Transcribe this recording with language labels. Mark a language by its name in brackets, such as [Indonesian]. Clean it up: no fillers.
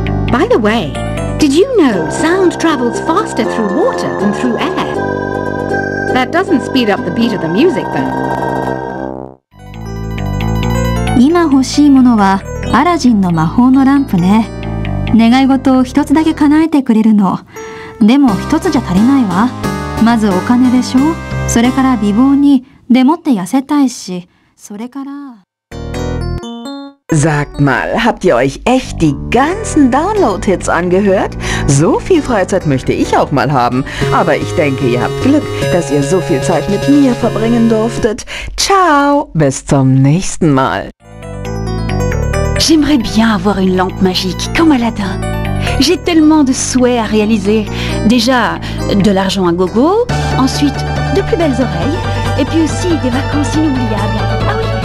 [English] By the way, did you know sound travels faster through water than through air? That doesn't speed up the beat of the music, though. [Japanese] 今欲しいものはアラジンの魔法のランプね。願い事を一つだけ叶えてくれるの。でも一つじゃ足りないわ。まずお金でしょ。それから美貌に、でもって痩せたいし、それから。 [German] Sagt mal, habt ihr euch echt die ganzen Download-Hits angehört? So viel Freizeit möchte ich auch mal haben. Aber ich denke, ihr habt Glück, dass ihr so viel Zeit mit mir verbringen durftet. Ciao, bis zum nächsten Mal. [French] J'aimerais bien avoir une lampe magique, comme Aladdin. J'ai tellement de souhaits à réaliser. Déjà, de l'argent à gogo, ensuite, de plus belles oreilles, et puis aussi des vacances inoubliables.